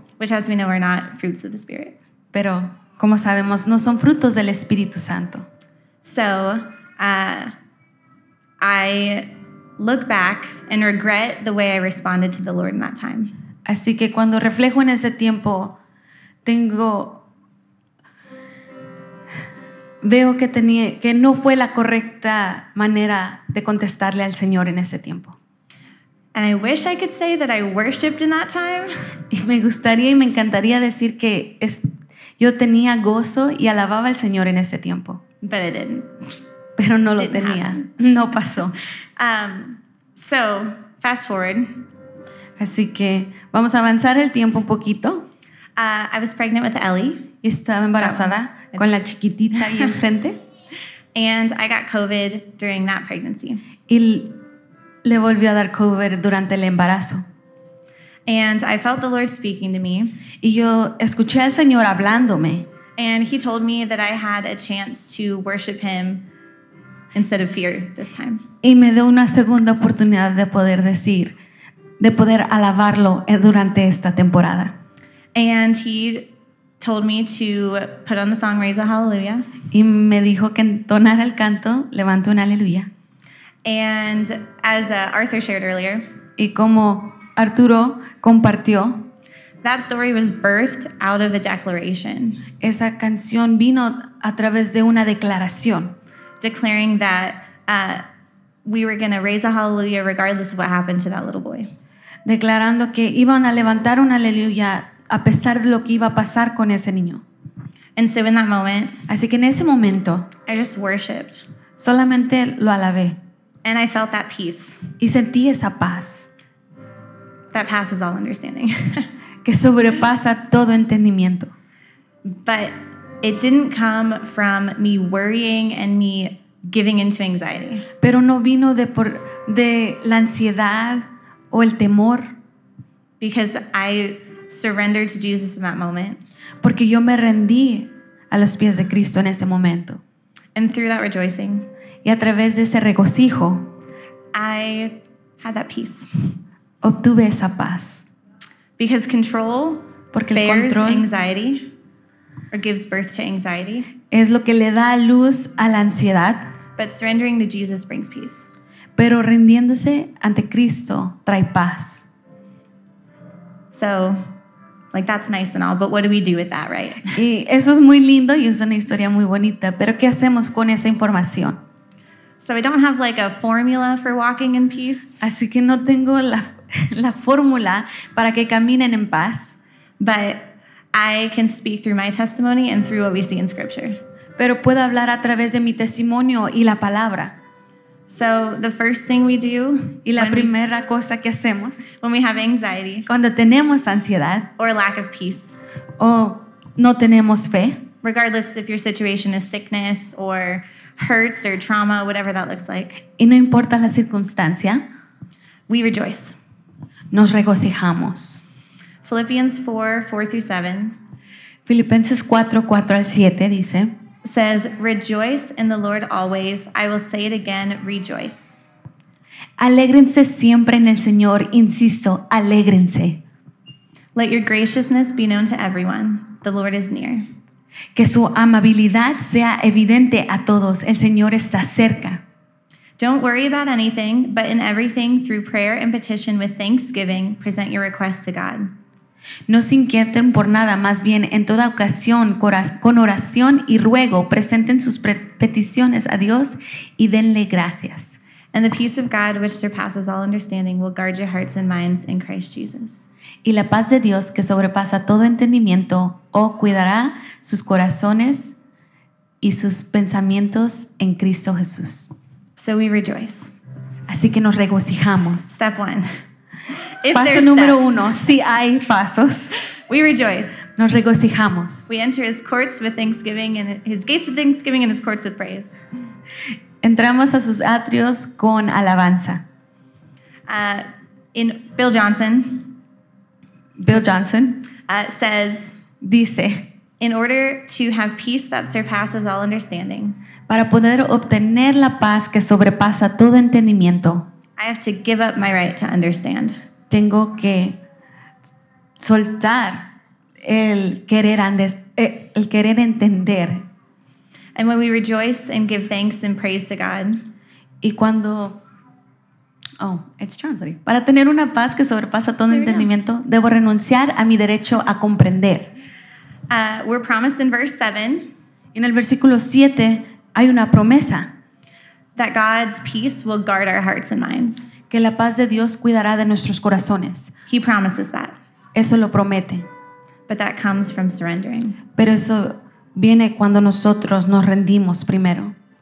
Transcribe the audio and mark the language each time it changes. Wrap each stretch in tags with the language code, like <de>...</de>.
<en>which as we know are not fruits of the Spirit,</en> <es>pero como sabemos no son frutos del Espíritu Santo.</es> <en>So I look back and regret the way I responded to the Lord in that time.</en> <es>Así que cuando reflejo en ese tiempo tengo, veo que tenía, que no fue la correcta manera de contestarle al Señor en ese tiempo.</es> <en>And I wish I could say that I worshiped in that time.</en> <es>Y me gustaría y me encantaría decir que yo tenía gozo y alababa al Señor en ese tiempo.</es> <en>But I didn't.</en> <es>Pero no lo tenía.</es> <en>Happen.</en> <es>No pasó.</es> <en>So, fast forward.</en> <es>Así que vamos a avanzar el tiempo un poquito.</es> <en>I was pregnant with Ellie.</en> <es>Estaba embarazada con la chiquitita ahí enfrente.</es> <en>And I got COVID during that pregnancy.</en> <es>Y le volvió a dar COVID durante el embarazo.</es> <en>And I felt the Lord speaking to me.</en> <es>Y yo escuché al Señor hablándome.</es> <en>And he told me that I had a chance to worship him instead of fear this time.</en> <es>Y me dio una segunda oportunidad de poder decir, de poder alabarlo durante esta temporada.</es> <en>And he told me to put on the song Raise a Hallelujah.</en> <es>Y me dijo que entonara el canto Levanto una Aleluya.</es> <en>And as Arthur shared earlier,</en> <es>y como Arturo compartió.</es> <en>That story was birthed out of a declaration.</en> <es>Esa canción vino a través de una declaración.</es> <en>Declaring that we were going to raise a hallelujah regardless of what happened to that little boy.</en> <es>Declarando que iban a levantar una aleluya a pesar de lo que iba a pasar con ese niño.</es> <en>And so in that moment,</en> <es>así que en ese momento,</es> <en>I just worshipped.</en> <es>Solamente lo alabé.</es> <en>And I felt that peace.</en> <es>Y sentí esa paz.</es> <en>That passes all understanding.</en> <es>Que sobrepasa todo entendimiento.</es> <en>But it didn't come from me worrying and me giving into anxiety.</en> <es>Pero no vino de la ansiedad o el temor.</es> <en>Because I surrendered to Jesus in that moment.</en> <es>Porque yo me rendí a los pies de Cristo en ese momento.</es> <en>And through that rejoicing,</en> <es>y a través de ese regocijo,</es> <en>I had that peace.</en> <es>Obtuve esa paz.</es> <en>Because control,</en> <es>porque el control</es> <en>bears anxiety or gives birth to anxiety.</en> <es>Es lo que le da luz a la ansiedad.</es> <en>But surrendering to Jesus brings peace.</en> <es>Pero rindiéndose ante Cristo trae paz.</es> <en>So, like, that's nice and all, but what do we do with that, right?</en> <es>Y eso es muy lindo y es una historia muy bonita, pero ¿qué hacemos con esa información?</es> <en>So I don't have like a formula for walking in peace.</en> <es>Así que no tengo la fórmula para que caminen en paz.</es> <en>But I can speak through my testimony and through what we see in scripture.</en> <es>Pero puedo hablar a través de mi testimonio y la palabra.</es> <en>So the first thing we do,</en> <es>y la primera cosa que hacemos,</es> <en>when we have anxiety,</en> <es>cuando tenemos ansiedad,</es> <en>or lack of peace,</en> <es>o no tenemos fe,</es> <en>regardless if your situation is sickness or hurts or trauma, whatever that looks like,</en> <es>y no importa la circunstancia,</es> <en>we rejoice.</en> <es>Nos regocijamos.</es> <en>Philippians 4:4-7.</en> <es>Filipenses 4:4-7 dice.</es> <en>Says, rejoice in the Lord always. I will say it again, rejoice.</en> <es>Alégrense siempre en el Señor. Insisto, alégrense.</es> <en>Let your graciousness be known to everyone. The Lord is near.</en> <es>Que su amabilidad sea evidente a todos. El Señor está cerca.</es> <en>Don't worry about anything, but in everything, through prayer and petition with thanksgiving, present your requests to God.</en> <es>No se inquieten por nada, más bien en toda ocasión, con oración y ruego, presenten sus peticiones a Dios y denle gracias.</es> <en>And the peace of God, which surpasses all understanding, will guard your hearts and minds in Christ Jesus.</en> <es>Y la paz de Dios, que sobrepasa todo entendimiento, cuidará sus corazones y sus pensamientos en Cristo Jesús.</es> <en>So we rejoice.</en> <es>Así que nos regocijamos.</es> <en>Step one.</en> <es>If paso número uno, si hay pasos.</es> <en>We rejoice.</en> <es>Nos regocijamos.</es> <en>We enter his courts with thanksgiving and his gates with thanksgiving and his courts with praise.</en> <es>Entramos a sus atrios con alabanza.</es> <en>In Bill Johnson.</en> <es>Bill Johnson.</es> <en>Says.</en> <es>Dice.</es> <en>In order to have peace that surpasses all understanding.</en> <es>Para poder obtener la paz que sobrepasa todo entendimiento.</es> <en>I have to give up my right to understand.</en> <es>Tengo que soltar el querer entender.</es> <en>And when we rejoice and give thanks and praise to God.</en> <es>Y cuando,</es> <en>it's translated.</en> <es>Para tener una paz que sobrepasa todo entendimiento, debo renunciar a mi derecho a comprender.</es> <en>We're promised in verse 7.</en> <es>En el versículo 7 hay una promesa.</es> <en>That God's peace will guard our hearts and minds.</en> <es>Que la paz de Dios cuidará de nuestros corazones.</es> <en>He promises that.</en> <es>Eso lo promete.</es> <en>But that comes from surrendering.</en> <es>Pero eso viene cuando nosotros nos rendimos primero.</es>